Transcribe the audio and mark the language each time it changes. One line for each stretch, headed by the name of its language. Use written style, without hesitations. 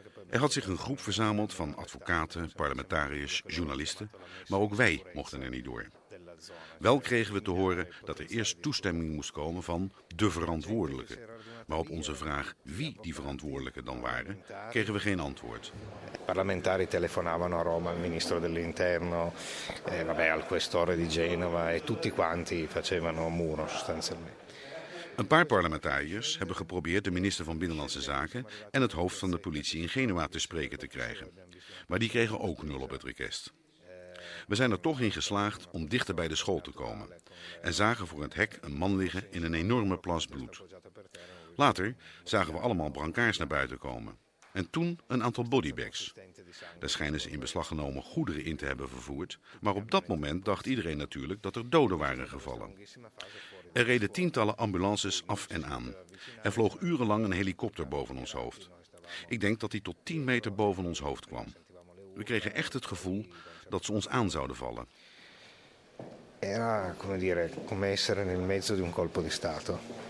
Dutch: Er had zich een groep verzameld van advocaten, parlementariërs, journalisten, maar ook wij mochten er niet door. Wel kregen we te horen dat er eerst toestemming moest komen van de verantwoordelijken. Maar op onze vraag wie die verantwoordelijken dan waren, kregen we geen antwoord.
Italian: Parlamentari telefonavano a Roma al ministro dell'interno, al questore di Genova e tutti quanti facevano muro sostanzialmente.
Dutch: Een paar parlementariërs hebben geprobeerd de minister van Binnenlandse Zaken en het hoofd van de politie in Genua te spreken te krijgen. Maar die kregen ook nul op het request. We zijn er toch in geslaagd om dichter bij de school te komen en zagen voor het hek een man liggen in een enorme plas bloed. Later zagen we allemaal brancards naar buiten komen en toen een aantal bodybags. Daar schijnen ze in beslag genomen goederen in te hebben vervoerd, maar op dat moment dacht iedereen natuurlijk dat er doden waren gevallen. Er reden tientallen ambulances af en aan. Er vloog urenlang een helikopter boven ons hoofd. Ik denk dat die tot 10 meter boven ons hoofd kwam. We kregen echt het gevoel dat ze ons aan zouden vallen.
Italian: Era, come dire, come essere nel mezzo di un colpo di stato.